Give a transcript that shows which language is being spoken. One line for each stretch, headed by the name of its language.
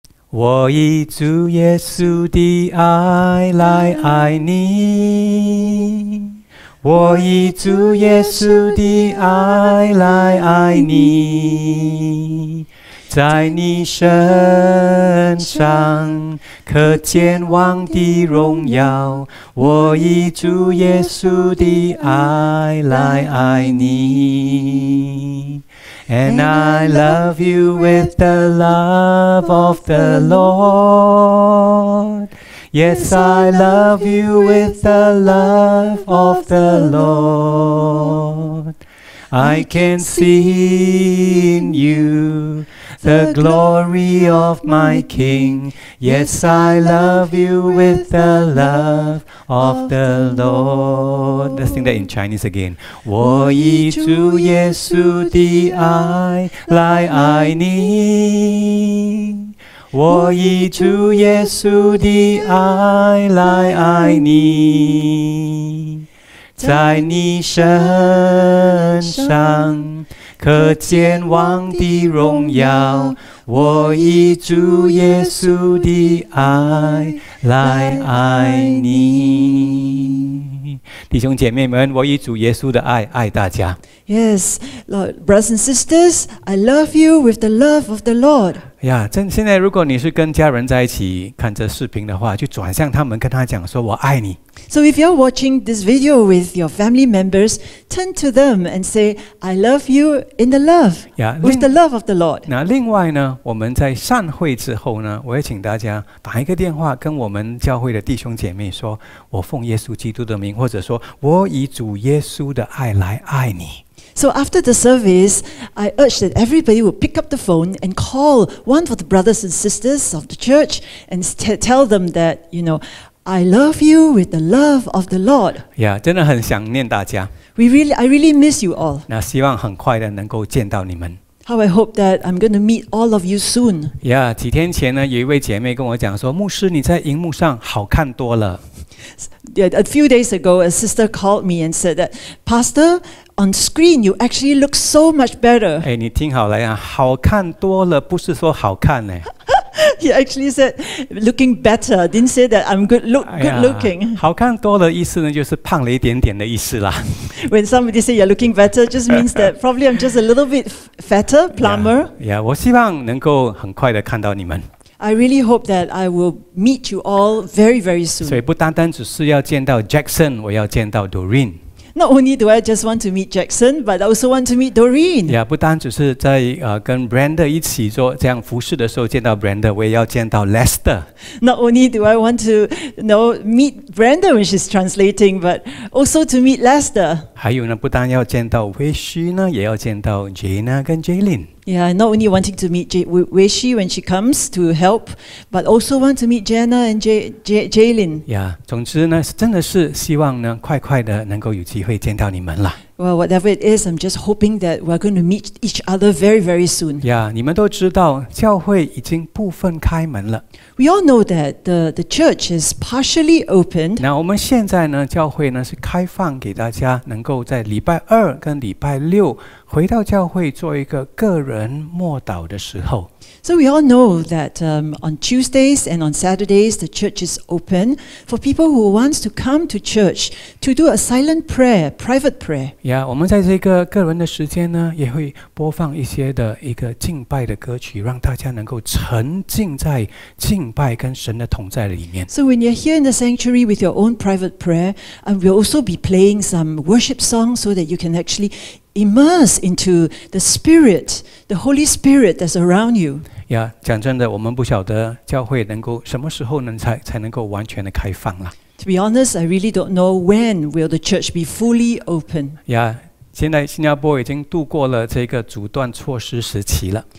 Chinese: 我以主耶稣的爱来爱你，我以主耶稣的爱来爱你，在你身上可见王的荣耀，我以主耶稣的爱来爱你。
English: And I love you with the love of the Lord. Yes, I love you with the love of the Lord. I can see in you the glory of my King. Yes, I love you with the love of the Lord. Let's sing that in Chinese again.
Chinese: 我以主耶稣的爱来爱你，我以主耶稣的爱来爱你，在你身上可见王的荣耀，我以主耶稣的爱来爱你。弟兄姐妹们，我以主耶稣的爱爱大家。
English: Yes, Lord, brothers and sisters, I love you with the love of the Lord.
Chinese: 呀，真现在如果你是跟家人在一起看这视频的话，就转向他们，跟他讲说我爱你。
English: So if you're watching this video with your family members, turn to them and say, I love you in the love, yeah, with the love of the Lord.
Chinese: 那另外呢，我们在散会之后呢，我也请大家打一个电话跟我们教会的弟兄姐妹说，我奉耶稣基督的名，或者说我以主耶稣的爱来爱你。
English: So after the service, I urge that everybody will pick up the phone and call one of the brothers and sisters of the church and tell them that, you know,I love you with the love of the Lord.
Chinese: Yeah, 真的很想念大家。
English: I really miss you all.
Chinese: 那希望很快的能够见到你们。
English: How I hope that I'm going to meet all of you soon.
Chinese: Yeah, 几天前呢，有一位姐妹跟我讲说，牧师你在荧幕上好看多了。
English: Yeah, a few days ago, a sister called me and said that, Pastor, on screen, you actually look so much better.
Chinese: 哎，你听好了呀，好看多了不是说好看呢。
English: He actually said, looking better, didn't say that I'm good looking.
Chinese: 好看多了意思呢，就是胖了一点点的意思啦。
English: When somebody say you're looking better, just means that probably I'm just a little bit fatter, plumber.
Chinese: Yeah, 我希望能够很快的看到你们。
English: I really hope that I will meet you all very, very soon.
Chinese: 所以不单单只是要见到 Jackson, 我要见到 Doreen。
English: Not only do I just want to meet Jackson, but I also want to meet Doreen.
Chinese: Yeah, 不单只是在跟 Brenda 一起做这样服侍的时候见到 Brenda, 我也要见到 Lester.
English: Not only do I want to, you know, meet Brenda when she's translating, but also to meet Lester.
Chinese: 还有呢，不单要见到 Wei Xu 呢，也要见到 Jana 跟 Jaylin.
English: Yeah, not only wanting to meet Wei Xu when she comes to help, but also want to meet Jana and Jaylin.
Chinese: Yeah, 总之呢，真的是希望呢，快快的能够有机会见到你们了。
English: Well, whatever it is, I'm just hoping that we're going to meet each other very, very soon.
Chinese: Yeah, 你们都知道，教会已经部分开门了。
English: We all know that the church is partially opened.
Chinese: 那我们现在呢，教会呢是开放给大家，能够在礼拜二跟礼拜六回到教会做一个个人默祷的时候。
English: So we all know that on Tuesdays and on Saturdays, the church is open for people who want to come to church to do a silent prayer, private prayer.
Chinese: Yeah, 我们在这个个人的时间呢，也会播放一些的一个敬拜的歌曲，让大家能够沉浸在敬拜跟神的同在里面。
English: So when you're here in the sanctuary with your own private prayer, and we'll also be playing some worship songs so that you can actually immerse into the Spirit, the Holy Spirit that's around you.
Chinese: Yeah, 讲真的，我们不晓得教会能够什么时候能才能够完全的开放了。
English: To be honest, I really don't know when will the church be fully open.
Chinese: Yeah, 现在新加坡已经度过了这个阻断措施时期了。